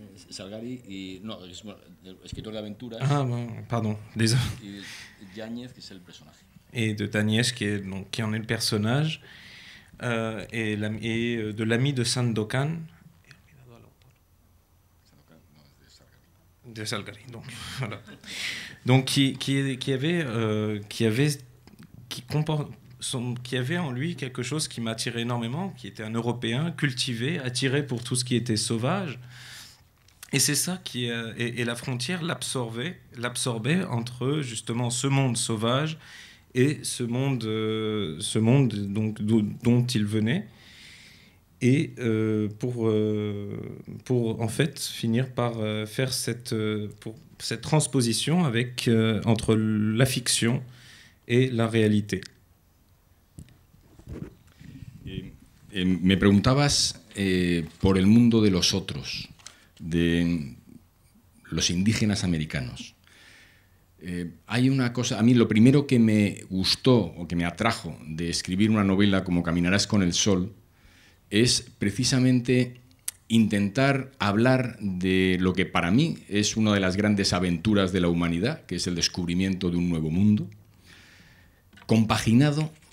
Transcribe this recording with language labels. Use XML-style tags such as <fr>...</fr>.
<es>Salgari y no, escritor de aventuras.</es> <fr>Ah, bon, pardon. Désolé. Yáñez, qui est le personnage. Et de Yáñez, qui en est le personnage. Et de l'ami de Sandokan. De Salgari, donc voilà. Donc qui avait en lui quelque chose qui m'attirait énormément, qui était un Européen cultivé, attiré pour tout ce qui était sauvage. Et c'est ça qui. Et la frontière l'absorbait entre justement ce monde sauvage. Et ce monde donc dont il venait, et pour en fait finir par faire cette transposition avec entre la fiction et la réalité.</fr> <es>Me preguntabas por el mundo de los otros, de los indígenas americanos. Hay una cosa, a mí lo primero que me gustó o que me atrajo de escribir una novela como Caminarás con el sol es precisamente intentar hablar de lo que para mí es una de las grandes aventuras de la humanidad, que es el descubrimiento de un nuevo mundo, compaginado</es>